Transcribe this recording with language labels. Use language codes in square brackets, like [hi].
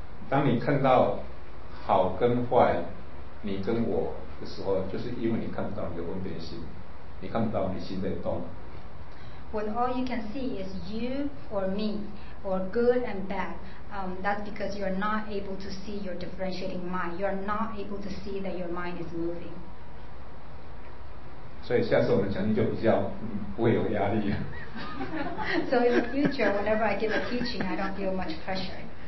[zh] 当你看到好跟坏，你跟我的时候，就是因为你看不到你的分别心，你看不到你心在动。 [en] When all you can see is you or me, or good and bad,that's because you're not able to see your differentiating mind. You're not able to see that your mind is moving. [zh] 所以下次我们讲经就比较不会有压力。 [en] So in the future, whenever I give a teaching, I don't feel much pressure.